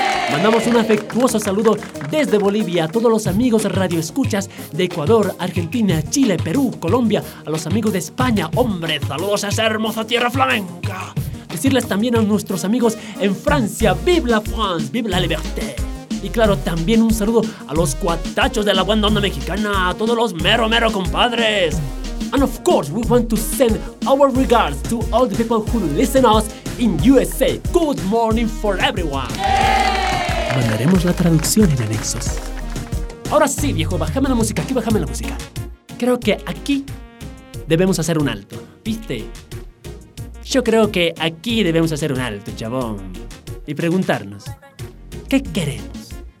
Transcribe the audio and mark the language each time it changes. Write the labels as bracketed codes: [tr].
[es] Mandamos un afectuoso saludo desde Bolivia a todos los amigos radioescuchas de Ecuador, Argentina, Chile, Perú, Colombia, a los amigos de España. ¡Hombre, saludos a esa hermosa tierra flamenca! Decirles también a nuestros amigos en Francia, [fr] ¡vive la France! ¡Vive la liberté! [es] Y claro, también un saludo a los cuatachos de la buena onda mexicana, a todos los mero compadres. [en] And of course, we want to send our regards to all the people who listen to us in USA. Good morning for everyone. Yeah. [es] Mandaremos la traducción en anexos. Ahora sí, viejo, bájame la música. Creo que aquí debemos hacer un alto, ¿viste? Yo creo que aquí debemos hacer un alto, chabón. Y preguntarnos, ¿qué queremos?